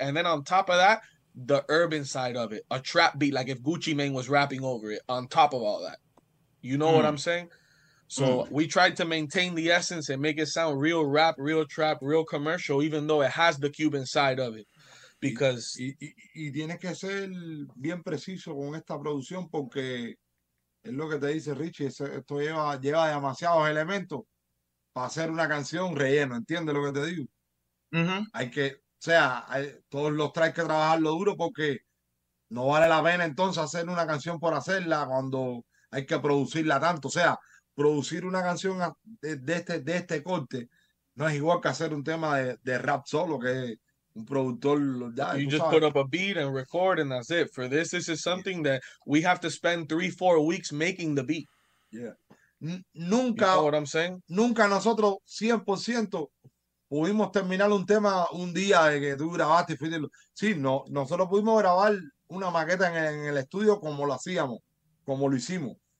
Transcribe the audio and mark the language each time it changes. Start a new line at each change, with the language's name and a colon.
English: And then on top of that, the urban side of it, a trap beat, like if Gucci Mane was rapping over it, on top of all that. You know what I'm saying? So we tried to maintain the essence and make it sound real rap, real trap, real commercial, even though it has the Cuban side of it. Because
Spanish: y tienes que ser bien preciso con esta producción, porque es lo que te dice Richie, esto lleva demasiados elementos para hacer una canción relleno, ¿entiendes lo que te digo? Hay que, o sea, todos los tracks que trabajarlo duro, porque no vale la pena entonces hacer una canción por hacerla cuando hay que producirla tanto. O sea, producir una canción de este corte no es igual que hacer un tema de rap solo, que es un productor, ya,
English: you just put up a beat and record and that's it. For this, this is something that we have to spend 3-4 weeks making the beat. Yeah.
Spanish: Nunca,
English: you know what I'm saying?
Spanish: Nunca nosotros 100% pudimos terminar un tema un día de que tú grabaste. Sí, no, nosotros pudimos grabar una maqueta en el estudio como lo hacíamos, como lo hicimos.